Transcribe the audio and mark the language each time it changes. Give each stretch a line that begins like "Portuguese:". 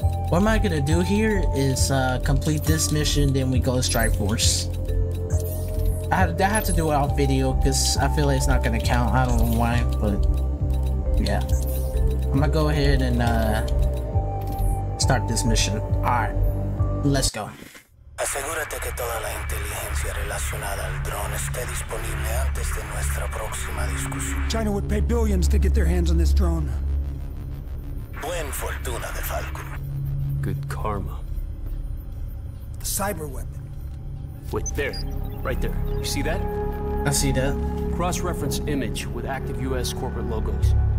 English: What am I gonna do here is complete this mission, then we go to Strike Force. I have to do it off video because I feel like it's not gonna count. I don't know why, but yeah. I'm gonna go ahead and start this mission. Alright, let's go.
Spanish: Asegúrate que toda la inteligencia relacionada al drone esté disponible antes de nuestra próxima discusión.
English: China would pay billions to get their hands on this drone.
Spanish: Buen fortuna de Falco.
English: Good karma. The cyber weapon. Wait, there. Right there. You see that? I see that. Cross-reference image with active U.S. corporate logos.